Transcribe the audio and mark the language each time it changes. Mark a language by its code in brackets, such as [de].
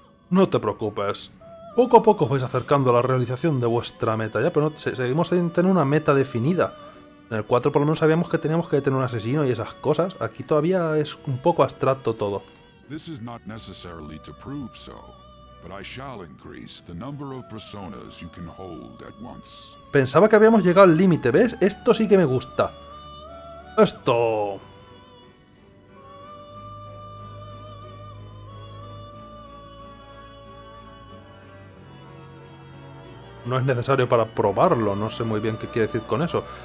[es] No te preocupes. Poco a poco vais acercando a la realización de vuestra meta, ya, pero no, seguimos sin tener una meta definida. En el 4 por lo menos sabíamos que teníamos que tener un asesino y esas cosas. Aquí todavía es un poco abstracto todo. [en] This is not necessarily to prove so, but I shall increase the number of personas you can hold at once. [es] Pensaba que habíamos llegado al límite, ¿ves? Esto sí que me gusta. Esto... No es necesario para probarlo, no sé muy bien qué quiere decir con eso.